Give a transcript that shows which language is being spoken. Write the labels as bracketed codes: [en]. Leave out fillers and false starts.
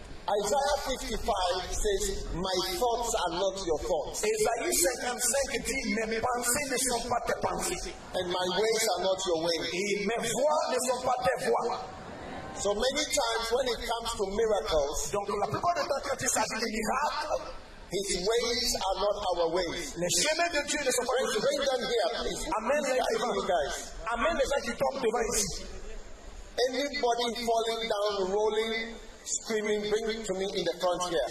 [en] Isaiah 55 says, "My thoughts are not your thoughts." [fr] Isaïe 55 dit, "Mes pensées ne sont pas tes pensées." [en] And my ways are not your ways. [fr] Et mes voies ne sont pas tes voies. [en] So many times when it comes to miracles, [fr] donc la plupart des temps quand il s'agit de miracles, [en] His ways are not our ways. [fr] Les chemins de Dieu ne sont pas nos chemins. [en] Bring them here, please. [fr] Amen, les gars. [en] You guys. [fr] Amen, les gens qui tombent devant ici. [en] Anybody falling down, rolling, screaming, bring it to me in the front here.